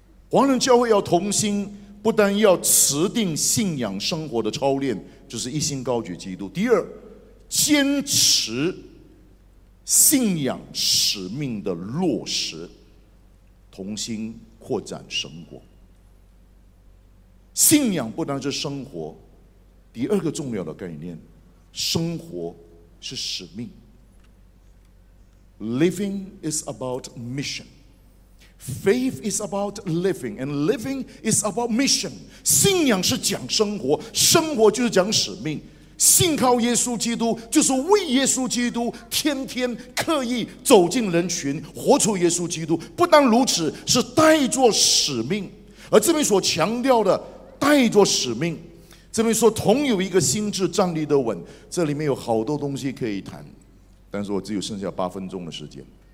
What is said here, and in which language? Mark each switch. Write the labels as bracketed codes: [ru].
[zh] 华人教会要同心，不单要持定信仰生活的操练，就是一心高举基督，第二坚持信仰使命的落实，同心扩展神国。信仰不单是生活，第二个重要的概念，生活是使命。 [en] Living is about mission. Faith is about living, and living is about mission. [zh] 信仰是讲生活，生活就是讲使命。信靠耶稣基督就是为耶稣基督天天刻意走进人群，活出耶稣基督。不但如此，是带着使命。而这边所强调的带着使命，这边说同有一个心志，站立得稳，这里面有好多东西可以谈，但是我只有剩下八分钟的时间。